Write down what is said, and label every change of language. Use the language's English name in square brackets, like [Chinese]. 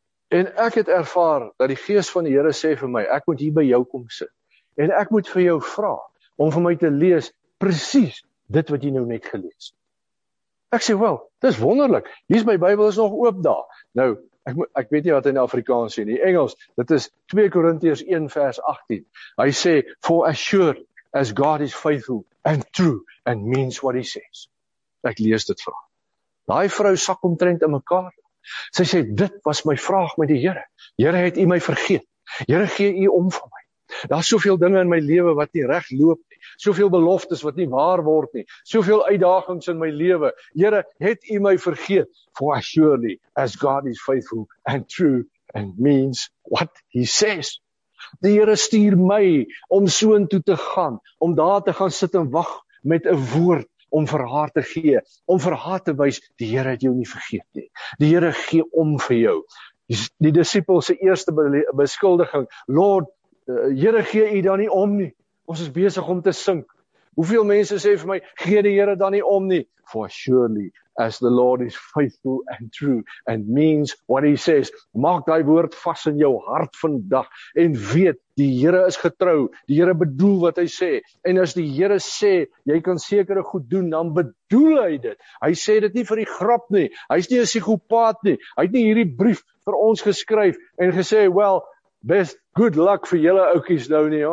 [Afrikaans] En ek het ervaar dat die gees van die Here sê vir my, ek moet hier by jou kom sit. En ek moet vir jou vra om vir my te lees presies dit wat jy nou net gelees. Ek sê, wel, dis wonderlik. Hier is my Bybel is nog oop daar. Nou, ek weet nie wat hy in Afrikaans sê nie. Engels, dit is 2 Korintiërs 1 vers 18. Hy sê, [English] for as sure as God is faithful and true and means what he says. [Afrikaans] Ek lees dit vir haar. Daai vrou sak omtrent in mekaar. Sy sê, dit was my vraag met die Here. Here, het u my vergeet? Here, gee u om vir my? Daar is soveel dinge in my lewe wat nie reg loop nie. Soveel beloftes wat nie waar word nie. Soveel uitdagings in my lewe. Here, het u my vergeet? [English] For surely as God is faithful and true and means what he says. [Afrikaans] Die Here stuur my om soontoe te gaan, om daar te gaan sit en wag met 'n woord om vir haar te gee, om vir haar te wys die Here het jou nie vergeet nie. Die Here gee om vir jou. Die disippels se eerste beskuldiging, Lord, Here gee u dan nie om nie. Ons is besig om te sink. Hoeveel mense sê vir my, gee die Here dan nie om nie? [English] For surely as the Lord is faithful and true and means what he says. [Afrikaans] Maak daai woord vas in jou hart vandag en weet die Here is getrou. Die Here bedoel wat hy sê. En as die Here sê jy kan sekere goed doen, dan bedoel hy dit. Hy sê dit nie vir die grap nie. Hy's nie 'n psigopaat nie. Hy het nie hierdie brief vir ons geskryf en gesê, [English] "Well, best good luck [Afrikaans] vir julle ouppies nou nie.